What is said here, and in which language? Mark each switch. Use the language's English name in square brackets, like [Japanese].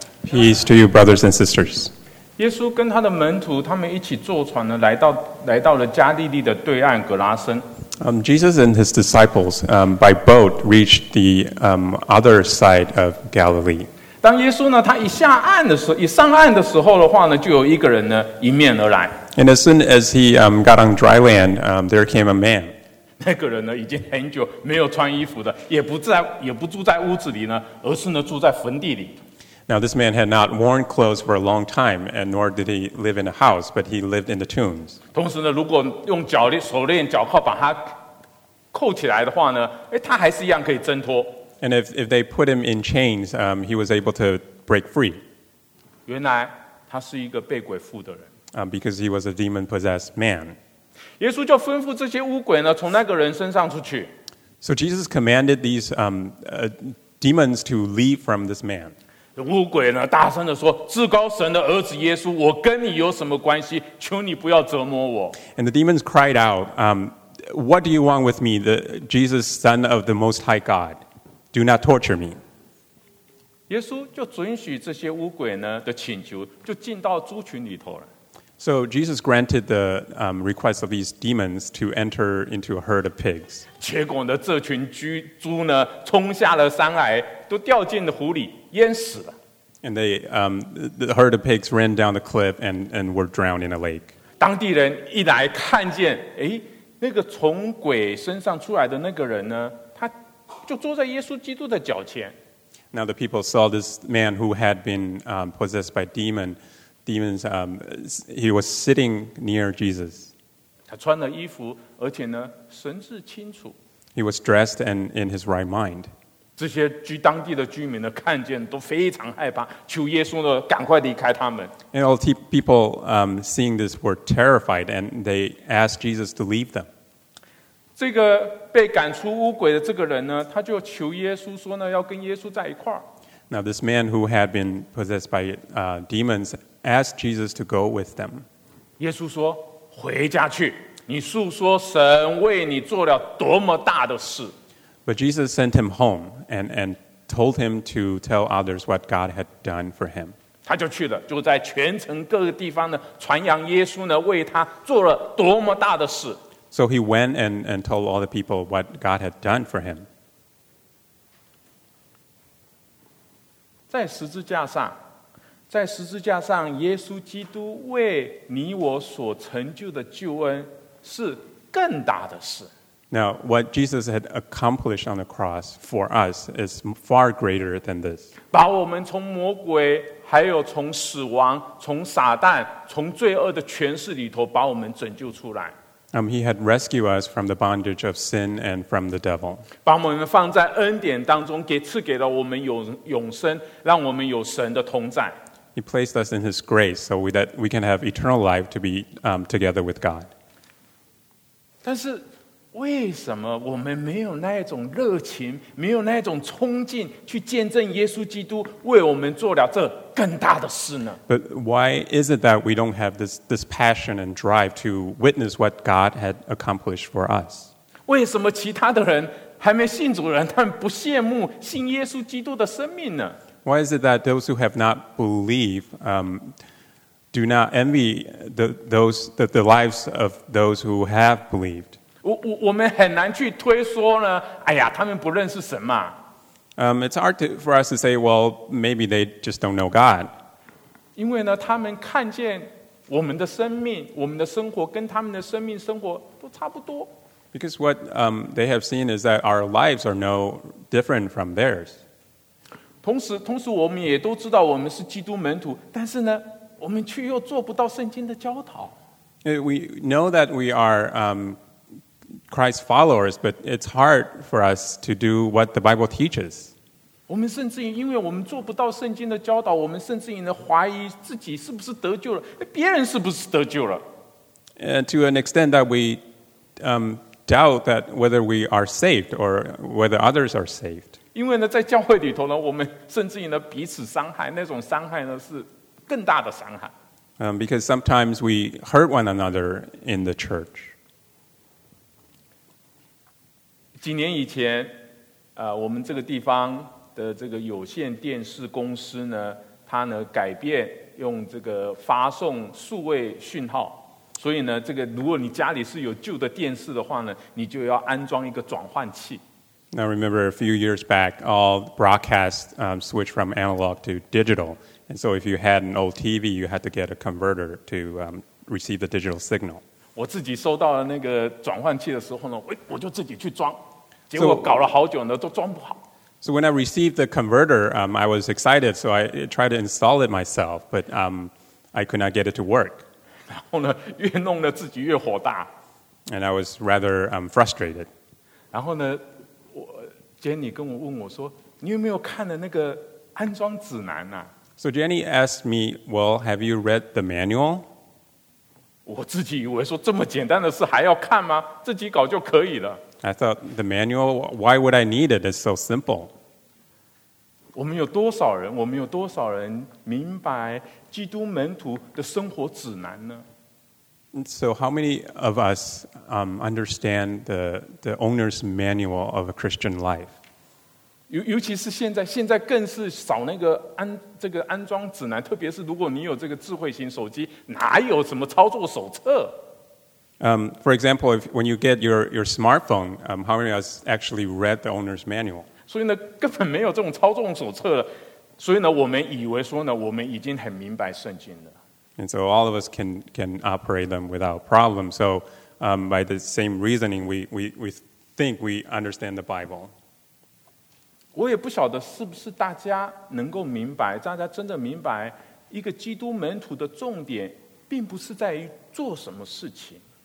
[English] Peace to you, brothers and sisters. [Chinese] 耶稣跟他的门徒，他们一起坐船呢，来到了加利利的对岸格拉森。 [English] Jesus and his disciples, by boat reached the other side of Galilee. [Chinese] 当耶稣呢，他一下岸的时候，一上岸的时候的话呢，就有一个人呢，迎面而来。 [English] And as soon as he got on dry land, there came a man. [Chinese] 那个人呢，已经很久没有穿衣服的，也不住在屋子里呢，而是呢，住在坟地里。 [English] Now this man had not worn clothes for a long time, and nor did he live in a house, but he lived in the tombs. [Chinese] 同时呢，如果用手链、脚铐把他扣起来的话呢，他还是一样可以挣脱。 [English] And if they put him in chains, he was able to break free. [Chinese] 原来他是一个被鬼附的人。 [English] Because he was a demon-possessed man. [Chinese] 耶稣就吩咐这些巫鬼呢，从那个人身上出去。 [English] So Jesus commanded these demons to leave from this man. [Chinese] 巫鬼呢大声地说，至高神的儿子耶稣，我跟你有什么关系？求你不要折磨我。 [English] And the demons cried out, what do you want with me, the Jesus, son of the most high God? Do not torture me. [Chinese] 耶稣就准许这些巫鬼呢的请求，就进到猪群里头了。 [English] So Jesus granted the request of these demons to enter into a herd of pigs. [Chinese] 结果呢，这群猪呢冲下了山崖，都掉进了湖里。 [English] And they, the herd of pigs ran down the cliff and were drowned in a lake. [Chinese] 当地人一来看见，那个从鬼身上出来的那个人呢，他就坐在耶稣基督的脚前。 [English] Now the people saw this man who had been possessed by demons. He was sitting near Jesus. [Chinese] 他穿了衣服，而且呢，神志清楚。 [English] He was dressed and in his right mind. [Chinese] 这些当地的居民呢，看见都非常害怕，求耶稣呢赶快离开他们。 [English] And all the people seeing this were terrified, and they asked Jesus to leave them. [Chinese] 这个被赶出巫鬼的这个人呢，他就求耶稣说呢，要跟耶稣在一块儿。 [English] Now this man who had been possessed by demons asked Jesus to go with them. [Chinese] 耶稣说：“回家去，你述说神为你做了多么大的事。” [English] But Jesus sent him home. And told him to tell others what God had done for him. [Chinese] 他就去了，就在全城各个地方呢，传扬耶稣呢，为他做了多么大的事。 [English] So he went and told all the people what God had done for him. [Chinese] 在十字架上，在十字架上，耶稣基督为你我所成就的救恩是更大的事。 [English] Now, what Jesus had accomplished on the cross for us is far greater than this. [Chinese] 把我们从魔鬼，还有从死亡，从撒旦，从罪恶的权势里头把我们拯救出来。 [English] He had rescued us from the bondage of sin and from the devil. [Chinese] 把我们放在恩典当中，赐给了我们永生，让我们有神的同在。 [English] He placed us in his grace so that we can have eternal life to be together with God. [Chinese] 但是为什么我们没有那种热情，没有那种冲劲去见证耶稣基督为我们做了这更大的事呢？ [English] But why is it that we don't have this passion and drive to witness what God had accomplished for us? [Chinese] 为什么其他的人还没信主的人，他们不羡慕信耶稣基督的生命呢？ [English] Why is it that those who have not believed, do not envy the lives of those who have believed? [Chinese] 我们很难去推说呢，哎呀，他们不认识神嘛。 [English] It's hard for us to say, well, maybe they just don't know God. [Chinese] 因为呢，他们看见我们的生命，我们的生活跟他们的生命生活都差不多。 [English] Because what they have seen is that our lives are no different from theirs. [Chinese] 同时我们也都知道我们是基督门徒，但是呢，我们却又做不到圣经的教导。 [English] We know that we are Christ's followers, but it's hard for us to do what the Bible teaches. [Chinese] 我们甚至于因为我们做不到圣经的教导，我们甚至于呢怀疑自己是不是得救了，别人是不是得救了。 [English] And to an extent that we doubt that whether we are saved or whether others are saved. [Chinese] 因为呢在教会里头呢，我们甚至于呢彼此伤害，那种伤害呢是更大的伤害。 [English] Because sometimes we hurt one another in the church. [Chinese] 几年以前，我们这个地方的这个有线电视公司呢，它呢改变用这个发送数位讯号，所以呢，这个如果你家里是有旧的电视的话呢，你就要安装一个转换器。 [English] Now remember, a few years back, all broadcast switched from analog to digital, and so if you had an old TV, you had to get a converter to receive the digital signal. [Chinese] 我自己收到了那个转换器的时候呢，我就自己去装，结果搞了好久呢，都装不好。 [English] So when I received the converter, I was excited, so I tried to install it myself, but I could not get it to work. [Chinese] 然后呢，越弄得自己越火大。 [English] And I was rather frustrated. [Chinese] 然后呢，我 Jenny 跟我问我说，你有没有看了那个安装指南啊？ [English] So Jenny asked me, well, have you read the manual? [Chinese] 我自己以为说这么简单的事还要看吗？自己搞就可以了。 [English] I thought, the manual, why would I need it? It's so simple. [Chinese] 我们有多少人，我们有多少人明白基督门徒的生活指南呢？ [English] So how many of us understand the owner's manual of a Christian life? [Chinese] 尤其是现在，现在更是少那个这个安装指南，特别是如果你有这个智慧型手机，哪有什么操作手册？ [English] For example, when you get your smartphone, how many of us actually read the owner's manual? [Chinese] 所以呢，根本没有这种操纵手册了。所以呢，我们以为说呢，我们已经很明白圣经了。 [English] And so all of us can operate them without problem. So by the same reasoning, we think we understand the Bible. [Chinese] 我也不晓得是不是大家能够明白，大家真的明白一个基督门徒的重点，并不是在于做什么事情。